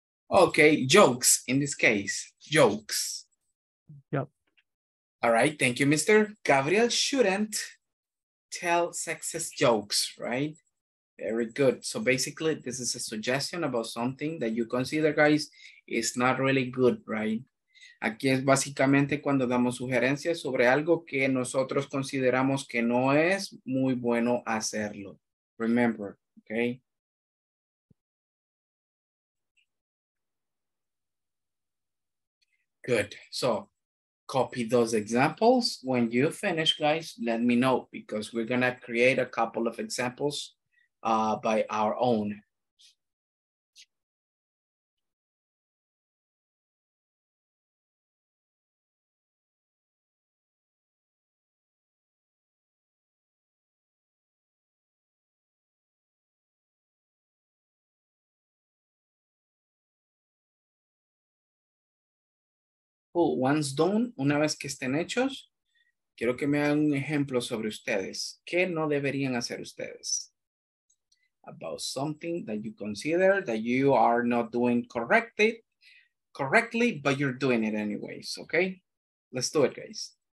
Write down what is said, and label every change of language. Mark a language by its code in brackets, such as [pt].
[en] Okay, jokes in this case, jokes. Yep. All right, thank you, mister. Gabriel shouldn't tell sexist jokes, right? Very good. So basically, this is a suggestion about something that you consider, guys, is not really good, right? [es] Aquí es básicamente cuando damos sugerencias sobre algo que nosotros consideramos que no es muy bueno hacerlo. [en] Remember, okay? Good. So, copy those examples. When you finish, guys, let me know because we're going to create a couple of examples by our own. Oh, once done, [es] una vez que estén hechos, quiero que me hagan un ejemplo sobre ustedes. ¿Qué no deberían hacer ustedes? [en] About something that you consider that you are not doing correctly, but you're doing it anyways, okay? Let's do it, guys.